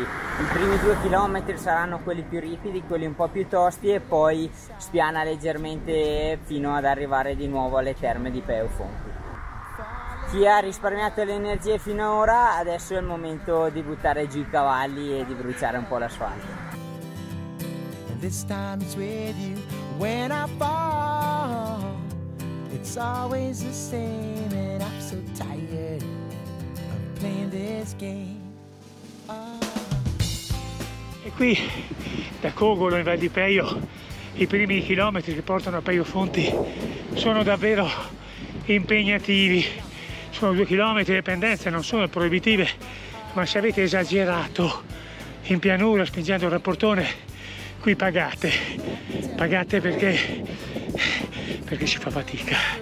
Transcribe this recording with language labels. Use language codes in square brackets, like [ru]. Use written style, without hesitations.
[it] I primi 2 chilometri saranno quelli più ripidi, quelli un po' più tosti, e poi spiana leggermente fino ad arrivare di nuovo alle terme di Peio Fonti. Chi ha risparmiato le energie finora, adesso è il momento di buttare giù i cavalli e di bruciare un po' l'asfalto. [en] This time it's with you when I fall. It's always the same, and I'm so tired of playing this game. [it] E qui da Cogolo in Val di Peio, i primi chilometri che portano a Peio Fonti sono davvero impegnativi. Sono 2 chilometri di pendenze, non sono proibitive, ma se avete esagerato in pianura spingendo il rapportone, qui pagate perché si fa fatica.